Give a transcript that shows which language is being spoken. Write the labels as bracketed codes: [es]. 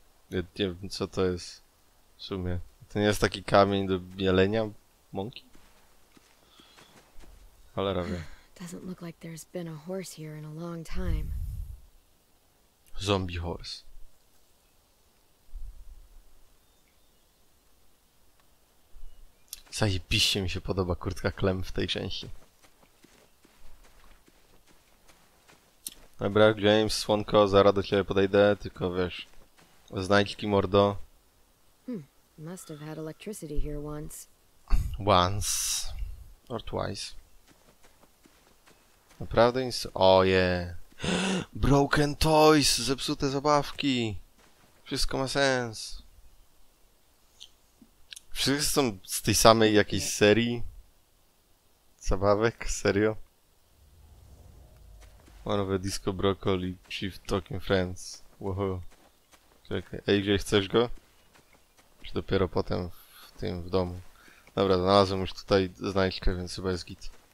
[pl] Nie wiem, co to jest w sumie. To nie jest taki kamień do bielenia mąki? Cholera wie. [en] Doesn't look like there's been a horse here in a long time. Zombie horse. [pl] Zajebiście mi się podoba kurtka Clem w tej części. Dobra, James, słonko, zaraz do ciebie podejdę, tylko wiesz. Znajdźki, mordo. [en] Must have had electricity here once. Once. Or twice. [pl] Naprawdę nic... [en] Broken toys! [pl] Zepsute zabawki! Wszystko ma sens. Wszyscy są z tej samej jakiejś serii? Zabawek? Serio? [en] One of a disco broccoli, chief talking friends. [pl] Woohoo. Czekaj, AJ, chcesz go? Czy dopiero potem w tym w domu? Dobra, znalazłem już tutaj znajdźkę, więc chyba jest git.